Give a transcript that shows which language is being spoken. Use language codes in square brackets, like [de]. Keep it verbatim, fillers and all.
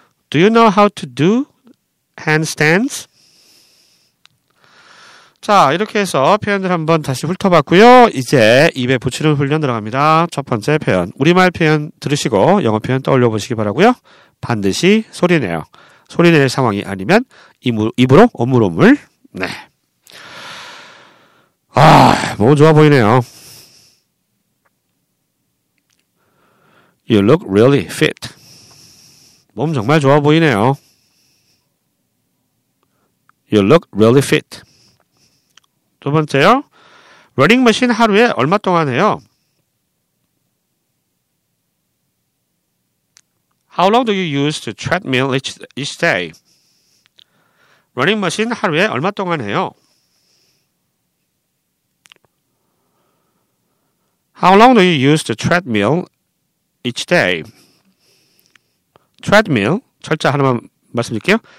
[en] Do you know how to do handstands? [ko] 자, 이렇게 해서 표현들 한번 다시 훑어봤고요. 이제 입에 붙이는 훈련 들어갑니다. 첫 번째 표현. 우리말 표현 들으시고 영어 표현 떠올려 보시기 바라고요. 반드시 소리내요. 소리낼 상황이 아니면 입으로, 입으로 오물오물. 네. 아, 너무 좋아 보이네요. [en] You look really fit. 몸 정말 좋아 보이네요. You look really fit. 두 번째요. [ko] 러닝머신 하루에 얼마 동안 해요? [en] How long do you use the treadmill each, each day? [ko] 러닝머신 하루에 얼마 동안 해요? [en] How long do you use the treadmill each day? [ko] treadmill, 철자 하나만 말씀드릴게요.